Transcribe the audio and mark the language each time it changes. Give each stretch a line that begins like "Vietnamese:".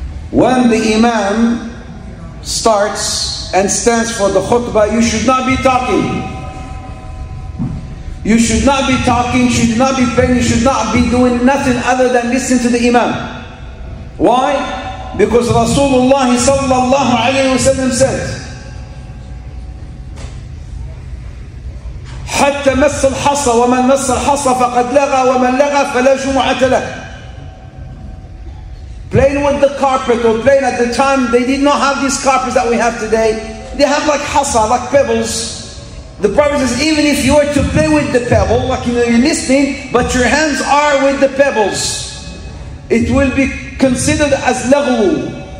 English: When the imam starts and stands for the khutbah, you should not be talking. You should not be talking, you should not be praying, you should not be doing nothing other than listening to the imam. Why? Because Rasulullah sallallahu alayhi wa sallam said,
Arabic: حَتَّ مَسَّ الْحَصَى وَمَنْ مَسَّ الْحَصَى فَقَدْ لَغَى وَمَنْ لَغَى فَلَا جُمُعَةَ لَهُ.
English: Playing with the carpet or playing at the time, they did not have these carpets that we have today. They have like hasa, like pebbles. The Prophet says, even if you were to play with the pebble, like you know, you're listening, but your hands are with the pebbles, it will be considered as laghu.